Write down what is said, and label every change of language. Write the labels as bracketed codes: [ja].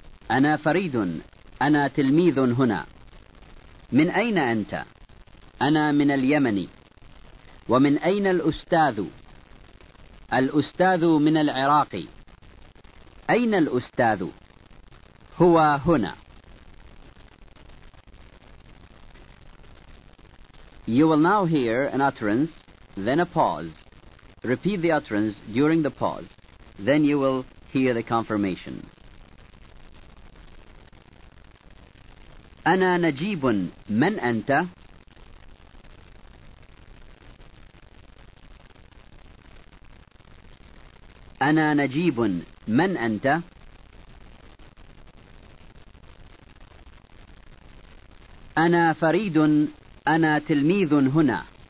[ar] أنا فريد أنا تلميذ هنا من أين أنت؟ أنا من اليمن ومن أين الأستاذ؟ الأستاذ من العراق أين الأستاذ؟ هو هنا [en] You will now hear an utterance, then a pause. Repeat the utterance during the pause. Then you will hear the confirmation. [ar] أنا نجيب من أنت؟ أنا نجيب من أنت؟ أنا فريد أنا تلميذ هنا